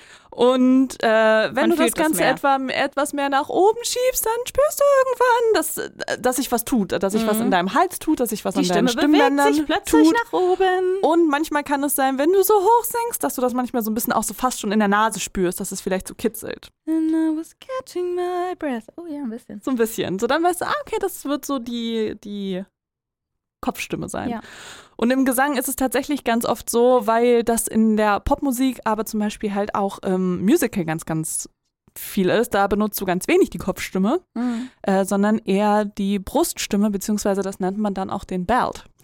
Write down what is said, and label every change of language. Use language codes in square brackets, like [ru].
[de] Und wenn man du das Ganze das etwas mehr nach oben schiebst, dann spürst du irgendwann, dass sich was tut. Dass sich was in deinem Hals tut, dass sich was die an Stimme deinen Stimmbändern tut. Die Stimme bewegt sich plötzlich nach oben. Und manchmal kann es sein, wenn du so hoch singst, dass du das manchmal so ein bisschen auch so fast schon in der Nase spürst, dass es vielleicht so kitzelt. [en] And I was catching my breath. [de] Oh ja, ein bisschen. So ein bisschen. So dann weißt du, ah, okay, das wird so die Kopfstimme sein. Ja. Und im Gesang ist es tatsächlich ganz oft so, weil das in der Popmusik, aber zum Beispiel halt auch im Musical ganz, ganz viel ist, da benutzt du ganz wenig die Kopfstimme, sondern eher die Bruststimme, beziehungsweise das nennt man dann auch den Belt.